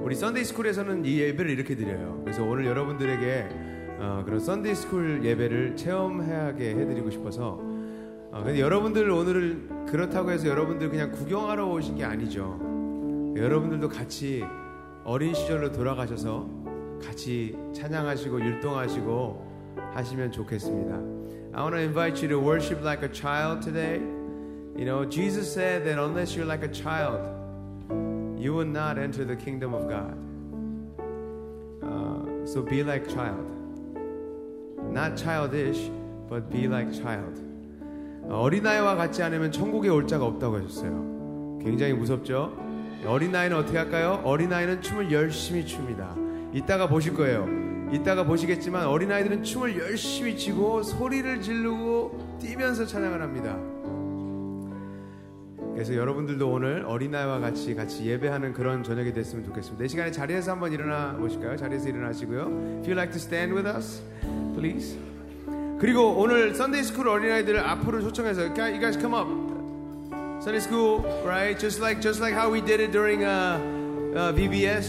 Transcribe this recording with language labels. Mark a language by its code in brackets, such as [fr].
[ko] 우리 썬데이스쿨에서는 이 예배를 이렇게 드려요. 그래서 오늘 여러분들에게 그런 썬데이스쿨 예배를 체험하게 해드리고 싶어서. 근데 여러분들 오늘 그렇다고 해서 여러분들 그냥 구경하러 오신 게 아니죠. 여러분들도 같이 어린 시절로 돌아가셔서 같이 찬양하시고 율동하시고 하시면 좋겠습니다. [en] I want to invite you to worship like a child today. You know, Jesus said that unless you're like a child, you will not enter the kingdom of God. So be like child. Not childish, but be like child. [ko] 어린아이와 같지 않으면 천국에 올 자가 없다고 하셨어요. 굉장히 무섭죠? 어린아이는 어떻게 할까요? 어린아이는 춤을 열심히 춥니다. 이따가 보실 거예요. 이따가 보시겠지만 어린아이들은 춤을 열심히 추고 소리를 지르고 뛰면서 찬양을 합니다. 그래서 여러분들도 오늘 어린아이와 같이 예배하는 그런 저녁이 됐으면 좋겠습니다. 이 시간에 자리에서 한번 일어나 보실까요? 자리에서 일어나시고요. [en] If you'd like to stand with us, please. [ko] 그리고 오늘 Sunday School 어린아이들을 앞으로 초청해서 [en] You guys come up. Sunday School, right? Just like how we did it during VBS.